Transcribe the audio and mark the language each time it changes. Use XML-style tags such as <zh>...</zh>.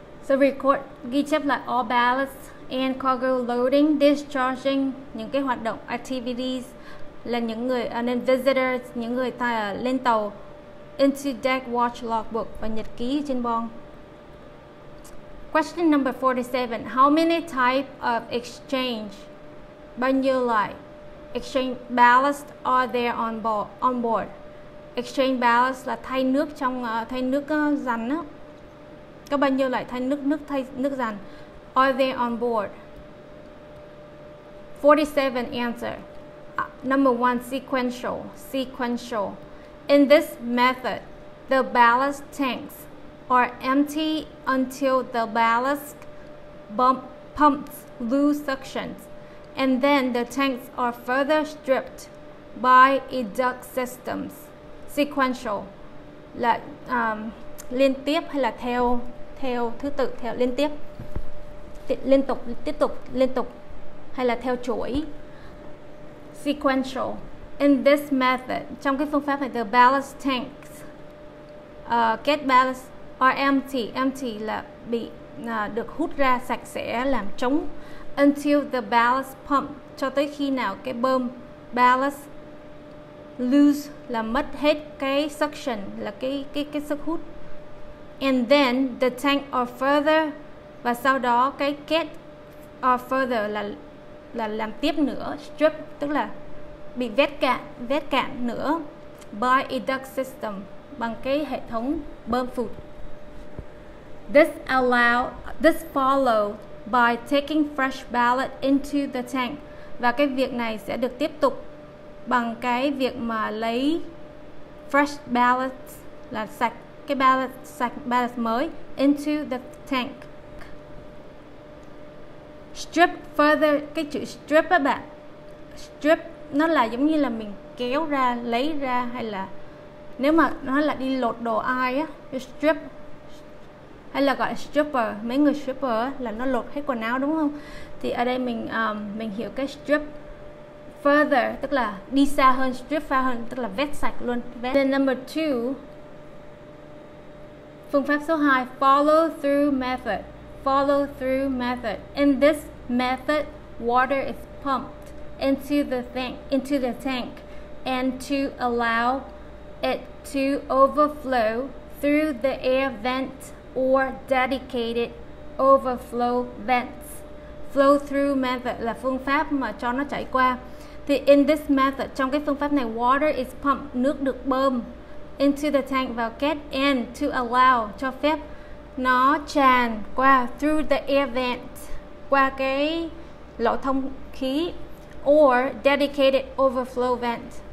<en>So record</en> <vi>ghi chép lại</vi> <en>all ballast and cargo loading, discharging,</en> <vi>những cái hoạt động activities là những người nên visitors, những người ta lên tàu,</vi> <en>into deck watch logbook</en> <vi>và nhật ký trên boong.</vi> <en>Question number 47, how many type of exchange</en> <vi>bao nhiêu loại</vi> <en>exchange ballast are there on board?</en> <vi>Exchange ballast là thay nước trong thay nước rắn á. Có bao nhiêu loại thay nước nước thay nước rắn?</vi> <en>Are there on board? 47 answer. Number 1 sequential. Sequential. In this method, the ballast tanks are empty until the ballast pumps lose suction, and then the tanks are further stripped by educt systems.</en> <vi>Sequential là liên tiếp hay là theo theo thứ tự, theo liên tiếp, liên tục, tiếp tục, liên tục hay là theo chuỗi. Sequential.</vi> <en>In this method,</en> <vi>trong cái phương pháp này,</vi> <en>the ballast tanks get ballast are empty.</en> <vi>Empty là bị được hút ra sạch sẽ, làm trống.</vi> <en>Until the ballast pump,</en> <vi>cho tới khi nào cái bơm ballast lose là mất hết cái suction, là cái sức hút.</vi> <en>And then the tank are further,</en> <vi>và sau đó cái</vi> <en>get are further</en> <vi>là làm tiếp nữa, strip, tức là bị vét cạn nữa,</vi> <en>by educt system,</en> <vi>bằng cái hệ thống bơm phụt.</vi> <en>This followed by taking fresh ballast into the tank.</en> <vi>Và cái việc này sẽ được tiếp tục bằng cái việc mà lấy</vi> <en>fresh ballast</en> <vi>là sạch, cái ballast sạch, ballast mới,</vi> <en>into the tank.</en> <vi>Strip further, cái chữ strip á bạn, strip nó là giống như là mình kéo ra, lấy ra, hay là nếu mà nó là đi lột đồ ai á, strip, hay là gọi stripper, mấy người stripper là nó lột hết quần áo đúng không? Thì ở đây mình hiểu cái</vi> <en>strip further</en> <vi>tức là đi xa hơn, strip far hơn tức là vét sạch luôn.</vi> <en>Then number 2,</en> <vi>phương pháp số 2,</vi> <en>follow through method. Follow through method. In this method, water is pumped into the tank and to allow it to overflow through the air vent or dedicated overflow vents.</en> <vi>Flow through method là phương pháp mà cho nó chảy qua. Thì</vi> <en>in this method,</en> <vi>trong cái phương pháp này,</vi> <en>water is pumped,</en> <vi>nước được bơm</vi> <en>into the tank</en> <vi>vào két,</vi> <en>and to allow,</en> <vi>cho phép nó tràn qua,</vi> <en>through the air vent,</en> <vi>qua cái lỗ thông khí,</vi> <en>or dedicated overflow vent.</en>